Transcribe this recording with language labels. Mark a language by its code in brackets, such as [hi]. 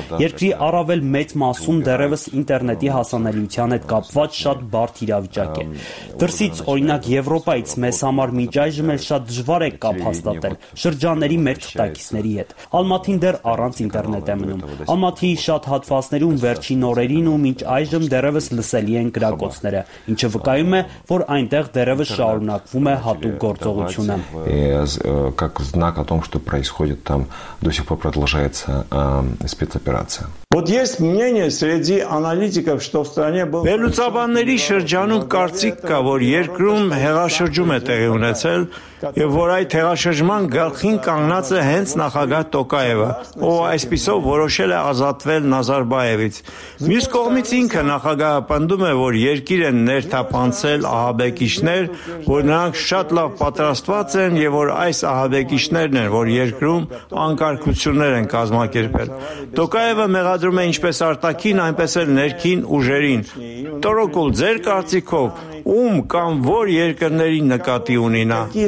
[hy] Երկրի առավել մեծ մասում դեռևս ինտերնետի հասանելիության հետ կապված շատ բարդ իրավիճակ է։ Դրսից, օրինակ, Եվրոպայից մեզ համար միջայժմ էլ շատ դժվար է կապ հաստատել շրջանների մեր թտակիցների հետ։ Ալմատին դեռ առանց ինտերնետ է մնում։ Ալմատիի շատ հատվածներում վերջին օրերին ու մինչ այժմ դեռևս լսելի են կրակոցները, ինչը վկայում է, որ այնտեղ դեռևս շարունակվում է հատուկ գործողությունը։ [ru] Как знак о том, что происходит там, до сих пор продолжается спецоперация. Вот есть мнение среди аналитиков, что в стране был [hy] Վերլուծաբանների շրջանում կարծիք կա, որ երկրում հեղաշրջում է տեղի ունեցել, եւ որ այդ հեղաշրջման գլխին կանգնած է հենց նախագահ Տոկաևը, ով այսպիսով որոշել է ազատվել Նազարբայևից։ Մյուս կողմից ինքը նախագահը պնդում է, որ երկիրը ներթափանցել ահաբեկիչներ, որ նրանք շատ լավ պատրաստված են, եւ որ այս ահաբեկիչներն են, որ երկրում անկարգություններ են կազմակերպել։ Տոկաևը մեղադրում է ինչպես արտաքին, այնպես էլ ներքին ուժերին։ Տորոկուլ, ձեր կարծիքով ում կամ որ երկրների նկատի ունինա։